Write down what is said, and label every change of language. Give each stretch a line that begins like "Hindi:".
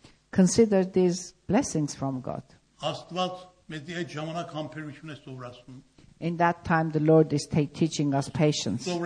English: consider these blessings from God.
Armenian: Աստված մեզ այդ ժամանակ համբերություն է սովորացնում.
English: In that time, the Lord is teaching us patience.